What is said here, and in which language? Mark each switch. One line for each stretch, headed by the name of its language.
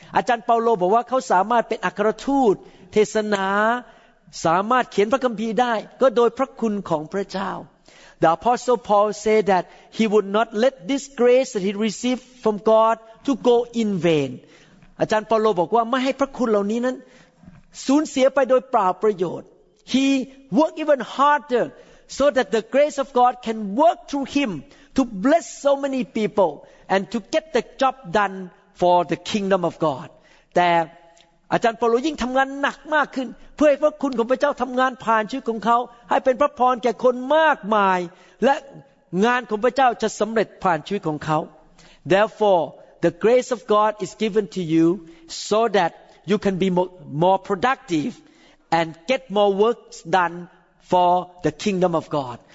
Thai: อาจารย์เปาโลบอกว่าเขาสามารถเป็นอัครทูตเทศนาสามารถเขียนพระคัมภีร์ได้ก็โดยพระคุณของพระเจ้า
English: The Apostle Paul said that he would not let this grace that he received from God to go in vain.
Thai: อาจารย์เปาโลบอกว่าไม่ให้พระคุณเหล่านี้นั้นสูญเสียไปโดยเปล่าประโยชน์
English: He worked even harder so that the grace of God can work through him to bless so many people. And to get the job done for the kingdom of God.
Thai: But อาจารย์เปาโลยิ่งทำงานหนักมากขึ้นเพื่อให้พระคุณของพระเจ้าทำงานผ่านชีวิตของเขาให้เป็นพระพรแก่คนมากมายและงานของพระเจ้าจะสำเร็จผ่านชีวิตของเขา
English: Therefore, the grace of God is given to you so that you can be more productive and get more works done for the kingdom of God.